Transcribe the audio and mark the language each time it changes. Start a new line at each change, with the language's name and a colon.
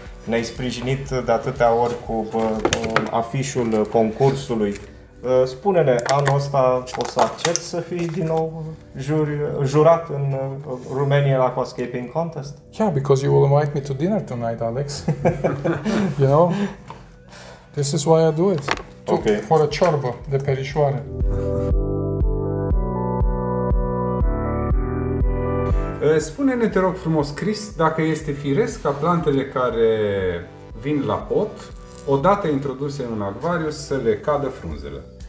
Romanian: Ne-ai sprijinit de atâtea ori cu afișul concursului. Spune-ne, anul ăsta o să accept să fii din nou jurat în Romanian Aquascaping Contest?
English: Yeah, because you will invite me to dinner tonight, Alex. You know? This is why I do it. Okay. For a ciorbă de perișoare.
Romanian: Spune-ne, te rog frumos, Chris, dacă este firesc ca plantele care vin la pot, odată introduse în acvariu, să le cadă frunzele.